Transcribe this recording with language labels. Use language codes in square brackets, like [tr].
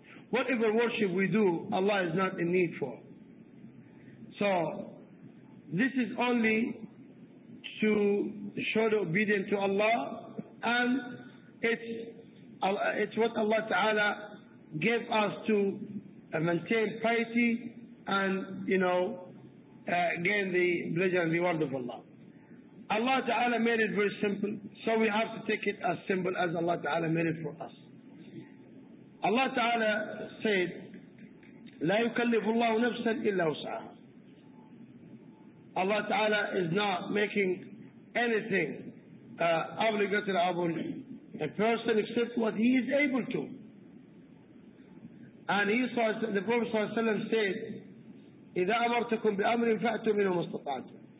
[en] Whatever worship we do, Allah is not in need for. So, this is only to show the obedience to Allah, and it's what Allah Ta'ala gave us to maintain piety and, you know, gain the pleasure and reward of Allah. Allah Ta'ala made it very simple, so we have to take it as simple as Allah Ta'ala made it for us. Allah Ta'ala said, [ar] لَا يُكَلِّفُ اللَّهُ نَفْسًا إِلَّا وُسْعَهَا. [en] Allah Ta'ala is not making anything obligatory upon a person except what he is able to. And the Prophet Sallallahu Alaihi Wasallam said, [ar] إِذَا أَمَرْتَكُمْ بِأَمْرٍ فَأْتُوا مِنْهُ مَا اسْتَطَعْتُمْ.